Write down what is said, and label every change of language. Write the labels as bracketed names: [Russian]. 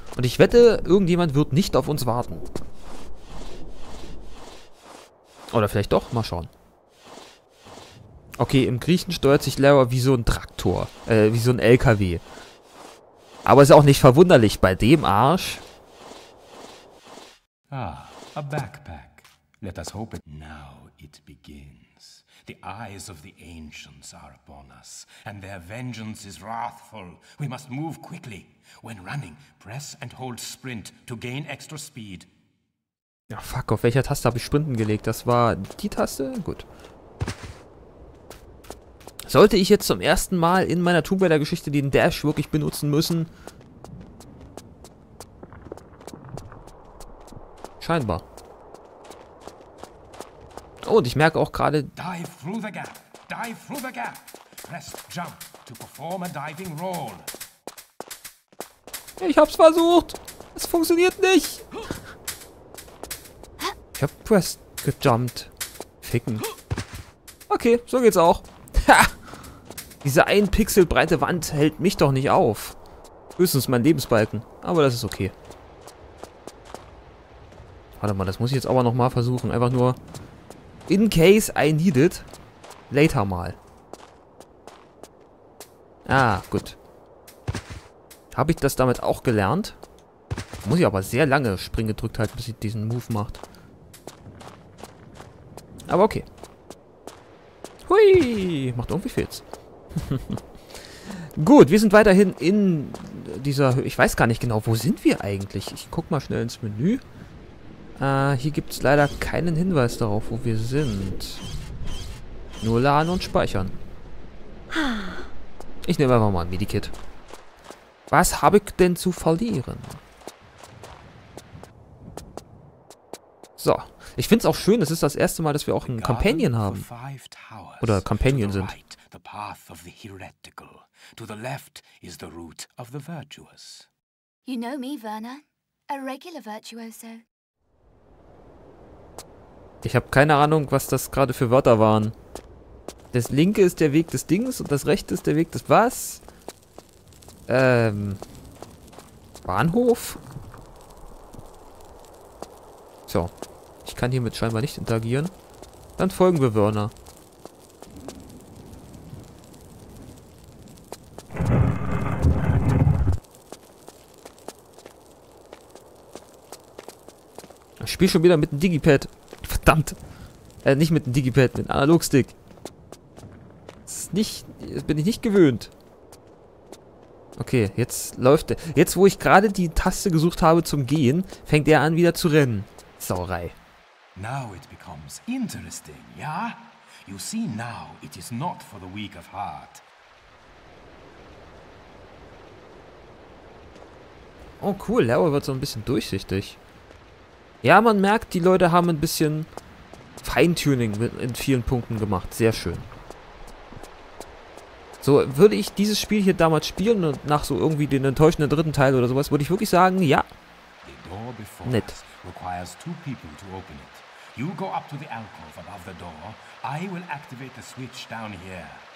[German] Und ich wette, irgendjemand wird nicht auf uns warten. Oder vielleicht doch, mal schauen. Okay, im Griechen steuert sich Lara wie so ein Traktor. Wie so ein LKW. Aber ist auch nicht verwunderlich, bei dem Arsch. [English] Ah, a backpack. Let us hope it now it begins. The eyes of the ancients are upon us, and their vengeance is wrathful. We must move quickly. When running, press and hold sprint to gain extra speed. [German] Ja, fuck, auf welcher Taste habe ich sprinten gelegt? Das war die Taste? Gut. Sollte ich jetzt zum ersten Mal in meiner Tomb Raider-Geschichte den Dash wirklich benutzen müssen? Scheinbar. Oh, und ich merke auch gerade... Dive through the gap! Dive through the gap! Press jump to perform a diving roll. Ich hab's versucht! Es funktioniert nicht! Ich hab press gejumpt. Ficken. Okay, so geht's auch. Ha! Diese ein Pixel breite Wand hält mich doch nicht auf. Höchstens mein Lebensbalken. Aber das ist okay. Warte mal, das muss ich jetzt aber nochmal versuchen. Einfach nur... [English] In case I need it, later [German] mal. Ah, gut. Habe ich das damit auch gelernt? Muss ich aber sehr lange springen gedrückt halten, bis ich diesen Move macht. Aber okay. Hui, macht irgendwie viel. Gut, wir sind weiterhin in dieser... Ich weiß gar nicht genau, wo sind wir eigentlich? Ich guck mal schnell ins Menü. Hier gibt es leider keinen Hinweis darauf, wo wir sind. Nur laden und speichern. Ich nehme einfach mal ein Medikit. Was habe ich denn zu verlieren? So, ich find's auch schön, das ist das erste Mal, dass wir auch einen Companion haben. Oder Companion sind. [English] Right, the path of the heretical. To the left is the route of the virtuous. You know me, Werner. A regular virtuoso. [German] Ich habe keine Ahnung, was das gerade für Wörter waren. Das linke ist der Weg des Dings und das rechte ist der Weg des... Was? Bahnhof? So. Ich kann hiermit scheinbar nicht interagieren. Dann folgen wir Werner. Ich spiele schon wieder mit dem Digipad. Verdammt. Nicht mit dem Digipad, mit dem Analogstick. Das ist nicht... Das bin ich nicht gewöhnt. Okay, jetzt läuft der... Jetzt, wo ich gerade die Taste gesucht habe zum Gehen, fängt er an, wieder zu rennen. Sauerei. [English] Now it becomes interesting, yeah? You see now, it is not for the weak of heart. [German] Oh cool, Lava wird so ein bisschen durchsichtig. Ja, man merkt, die Leute haben ein bisschen Feintuning in vielen Punkten gemacht. Sehr schön. So, würde ich dieses Spiel hier damals spielen und nach so irgendwie den enttäuschenden dritten Teil oder sowas, würde ich wirklich sagen, ja. [English] The door before nett. Us requires two people to open it. You go up to the alcove above the door. I will activate the switch down here.